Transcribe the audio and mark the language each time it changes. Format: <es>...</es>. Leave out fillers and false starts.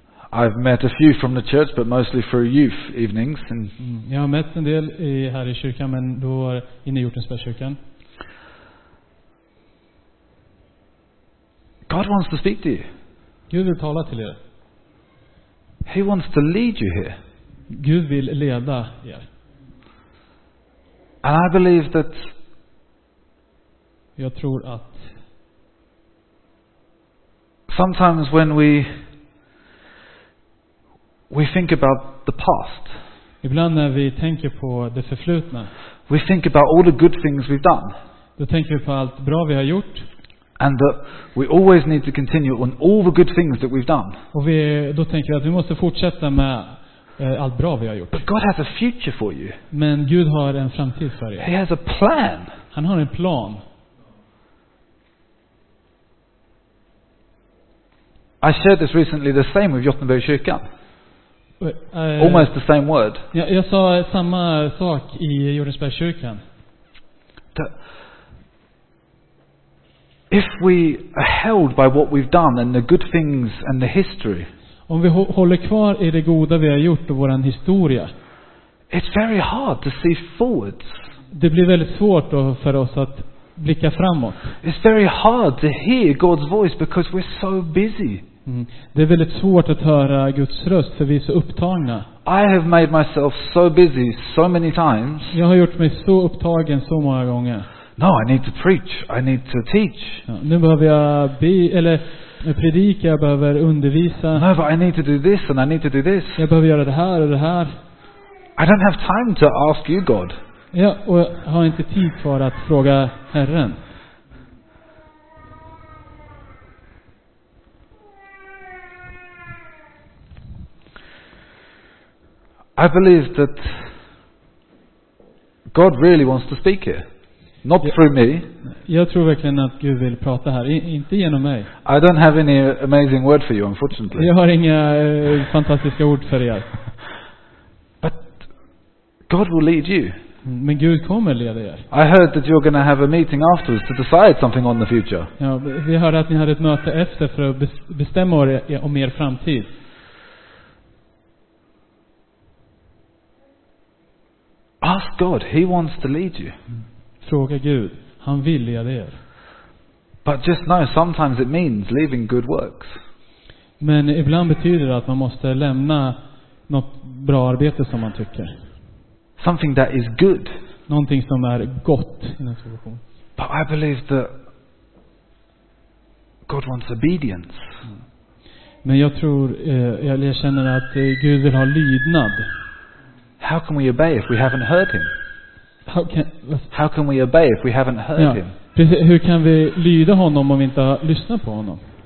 <en>I've met a few from the church, but mostly for youth evenings. And</en> <sv>jag har mött en del i, här i kyrkan, men då har inne gjort en spärrkyrkan.</sv> <en>God wants to speak to you.</en> <sv>Gud vill tala till er.</sv> <en>He wants to lead you here.</en> <sv>Gud vill leda er.</sv> <en>And I believe that</en> <sv>jag tror att</sv> <en>sometimes when we think about the past,</en> <sv>ibland när vi tänker på det förflutna,</sv> <en>we think about all the good things we've done,</en> <sv>då tänker vi på allt bra vi har gjort,</sv> <en>and that we always need to continue on all the good things that we've done,</en> <sv>och vi, då tänker vi att vi måste fortsätta med allt bra vi har gjort.</sv> <en>But God has a future for you.</en> <sv>Men Gud har en framtid för er.</sv> <en>He has a plan.</en> <sv>Han har en plan.</sv> <en>I shared this recently, the same with Jotunberg kyrkan. Almost the same word.</en> <sv>Ja, jag sa samma sak i Jotunberg kyrkan.</sv> <en>If we are held by what we've done and the good things and the history,</en> <sv>om vi håller kvar i det goda vi har gjort och vår historia,</sv> <en>it's very hard to see forwards.</en> <sv>Det blir väldigt svårt för oss att blicka framåt.</sv> <en>It's very hard to hear God's voice because we're so busy.</en> <sv>Det är väldigt svårt att höra Guds röst för vi är så upptagna.</sv> <en>I have made myself so busy so many times.</en> <sv>Jag har gjort mig så upptagen så många gånger.</sv> <en>No, I need to preach. I need to teach.</en> <sv>Ja, nu behöver jag be eller predika, jag behöver undervisa.</sv> <en>No, but I need to do this and I need to do this.</en> <sv>Jag behöver göra det här och det här.</sv> <en>I don't have time to ask you, God.</en> <sv>Ja, och jag har inte tid för att fråga Herren.</sv> <en>I believe that God really wants to speak here. Not through me.</en> <sv>Jag tror verkligen att Gud vill prata här, inte genom mig.</sv> <en>I don't have any amazing word for you, unfortunately.</en> <sv>Jag har inga fantastiska ord för er.</sv> <en>But God will lead you.</en> <sv>Men Gud kommer leda er.</sv> <en>I heard that you're going to have a meeting afterwards to decide something on the future.</en> <sv>Ja, vi hörde att ni hade ett möte efter för att bestämma om er framtid.</sv> <en>Ask God, he wants to lead you.</en> <sv>Fråga Gud, han vill leda er.</sv> <en>But just know, sometimes it means leaving good works.</en> <sv>Men ibland betyder det att man måste lämna något bra arbete som man tycker.</sv> <en>Something that is good.</en> <sv>Någonting som är gott i den situation.</sv> <en>But I believe that God wants obedience.</en> <sv>Men jag tror, jag känner att Gud vill ha lydnad.</sv> <en>How can we obey if we haven't heard him? How can we obey if we haven't heard him?</en> <sv>Precis, hur kan vi lyda honom om vi inte har lyssnat på honom?</sv>